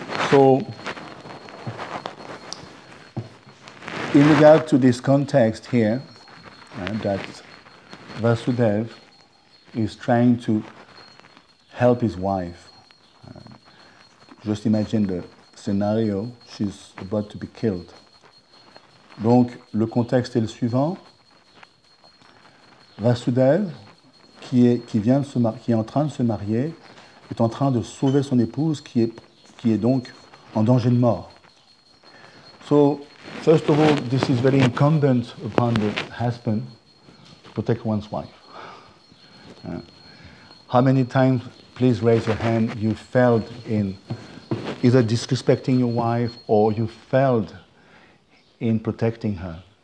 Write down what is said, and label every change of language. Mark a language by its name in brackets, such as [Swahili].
[English] So, in regard to this context here, that Vasudev is trying to help his wife. Just imagine the scenario, she's about to be killed. [French] Donc, le contexte est le suivant. Vasudev, qui est en train de se marier, est en train de sauver son épouse, qui est donc en danger de mort. [English] So, first of all, this is very incumbent upon the husband to protect one's wife. How many times, please raise your hand, you failed in either disrespecting your wife or you failed in protecting her.